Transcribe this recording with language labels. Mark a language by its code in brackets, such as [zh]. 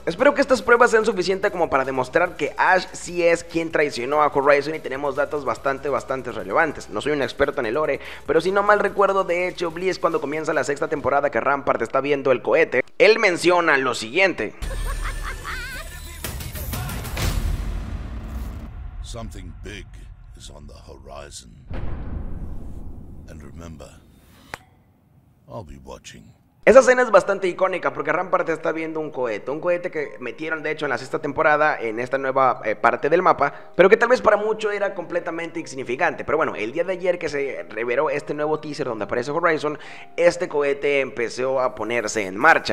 [es] Espero que estas pruebas sean suficientes como para demostrar que Ash sí es quien traicionó a Horizon y tenemos datos bastante, bastante relevantes. No soy un experto en el lore, pero si no mal recuerdo, de hecho, Bliss, cuando comienza la sexta temporada que Rampart está viendo el cohete, él menciona lo siguiente. [en] Something big is on the horizon. And remember, I'll be watching. [es] Esa escena es bastante icónica porque Rampart está viendo un cohete que metieron de hecho en la sexta temporada en esta nueva parte del mapa, pero que tal vez para mucho era completamente insignificante. Pero bueno, el día de ayer que se reveló este nuevo teaser donde aparece Horizon, este cohete empezó a ponerse en marcha.